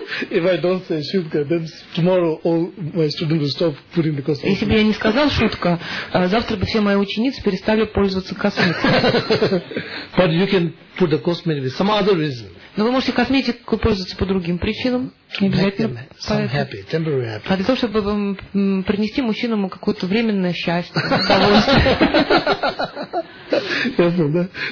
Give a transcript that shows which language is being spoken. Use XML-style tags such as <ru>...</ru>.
<en>If I don't say</en> <ru>шутка,</ru> <en>then tomorrow all my students will stop putting the cosmetics.</en> <ru>Если бы я не сказал шутка, завтра бы все мои ученицы перестали пользоваться косметикой.</ru> <en>But you can put the cosmetics for some other reason.</en> <ru>Но вы можете косметику пользоваться по другим причинам, не обязательно. А для того, чтобы принести мужчинам какое-то временное счастье, удовольствие.</ru>